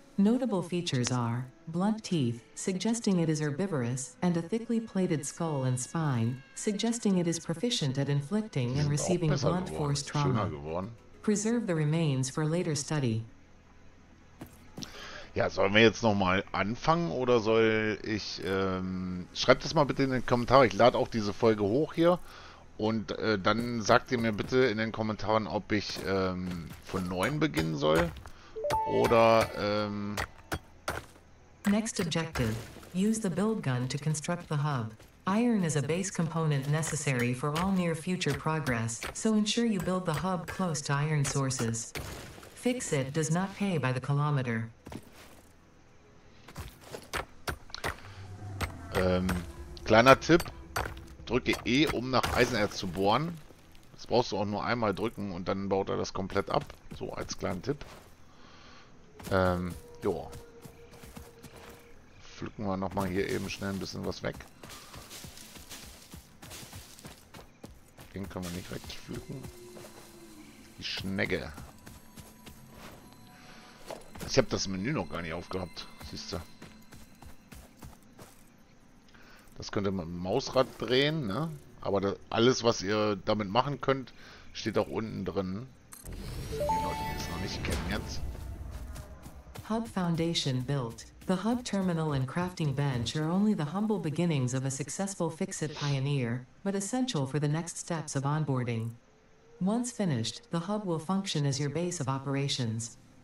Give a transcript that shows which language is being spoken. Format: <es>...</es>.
<en>Notable features are blunt teeth, suggesting it is herbivorous, and a thickly plated skull and spine, suggesting it is proficient at inflicting and receiving blunt force trauma. Preserve the remains for later study.</en> <de>Ja, sollen wir jetzt nochmal anfangen oder soll ich schreibt das mal bitte in den Kommentar. Ich lade auch diese Folge hoch hier. Und dann sagt ihr mir bitte in den Kommentaren, ob ich von 9 beginnen soll oder</de> <en>Next objective. Use the build gun to construct the hub. Iron is a base component necessary for all near future progress, so ensure you build the hub close to iron sources. Fix it does not pay by the kilometer.</en> <de>Kleiner Tipp. Drücke E, um nach Eisenerz zu bohren. Das brauchst du auch nur einmal drücken und dann baut er das komplett ab. So als kleinen Tipp. Jo. Pflücken wir nochmal hier eben schnell ein bisschen was weg. Den können wir nicht wegpflücken. Die Schnecke. Ich habe das Menü noch gar nicht aufgehabt. Siehst du. Das könnt ihr mit dem Mausrad drehen, ne? Aber das, alles, was ihr damit machen könnt, steht auch unten drin. Für die Leute, die es noch nicht kennen jetzt.</de> <en>Hub Foundation built. The Hub Terminal and Crafting Bench are only the humble beginnings of a successful Fix-It Pioneer, but essential for the next steps of onboarding. Once finished, the Hub will function as your base of operations.</en>